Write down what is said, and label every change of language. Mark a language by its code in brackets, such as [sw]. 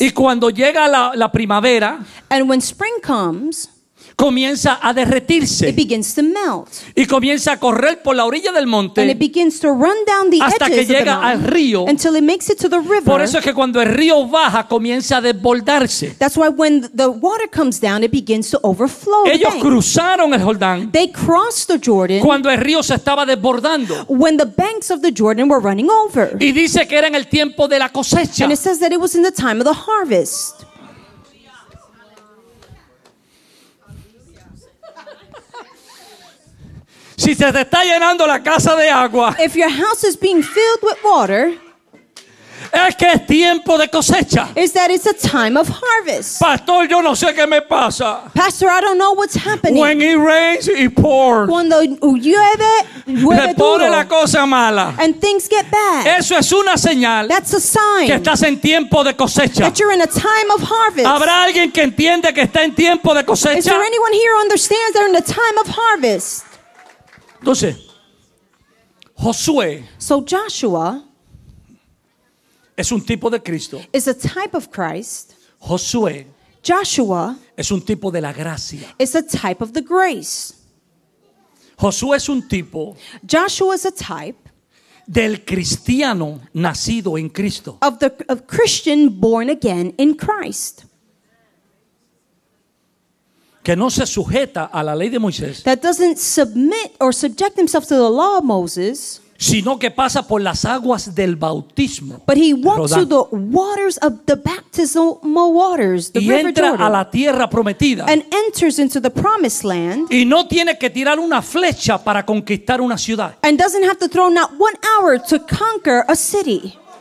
[es] Y cuando llega la primavera, [en] and when spring comes, [es] comienza a derretirse. [en] It begins to melt. [es] Y comienza a correr por la orilla del monte. [en] And it begins to run down the [es] hasta [en] edges [es] que llega [en] of the mountain, [es] al río. [en] Until it makes it to the river. [es] Por eso es que cuando el río baja, comienza a desbordarse. [en] That's why when the water comes down, it begins to overflow. [es] Ellos cruzaron el Jordán. [en] They crossed the Jordan. [es] Cuando el río se estaba desbordando. [en] When the banks of the Jordan were running over. [es] Y dice que era en el tiempo de la cosecha. [en] And it says that it was in the time of the harvest. [es] Si se te está llenando la casa de agua, [en] if your house is being filled with water, [es] es que es tiempo de cosecha. [en] Is that it's a time of harvest. [es] Pastor, yo no sé qué me pasa. [en] Pastor, I don't know what's happening. When it rains, it pours. [es] Cuando llueve, llueve duro. Se pone la cosa mala. [en] And things get bad. [es] Eso es una señal. [en] That's a sign. [es] Que estás en tiempo de cosecha. [en] That you're in a time of harvest. [es] ¿Habrá alguien que entiende que está en tiempo de cosecha? [en] Is there anyone here who understands they're in a time of harvest? [es] Entonces, Josué, [en] so Joshua, [es] es un tipo de Cristo. [en] Is a type of Christ. [es] Josué, [en] Joshua, [es] es un tipo de la gracia. [en] Is a type of the grace. [es] Josué es un tipo. [en] Joshua is a type [es] del cristiano nacido en Cristo. [en] Of Christian born again in Christ. [es] Que no se sujeta a la ley de Moisés. [en] That doesn't submit or subject himself to the law of Moses. [es] Sino que pasa por las aguas del bautismo. [en] But he walks through the waters of the baptismal waters, the river Jordan. [es] Y entra a la tierra prometida. [en] And enters into the promised land. [es] Y no tiene que tirar una flecha para conquistar una ciudad. [en] And doesn't have to throw not one arrow to conquer a city.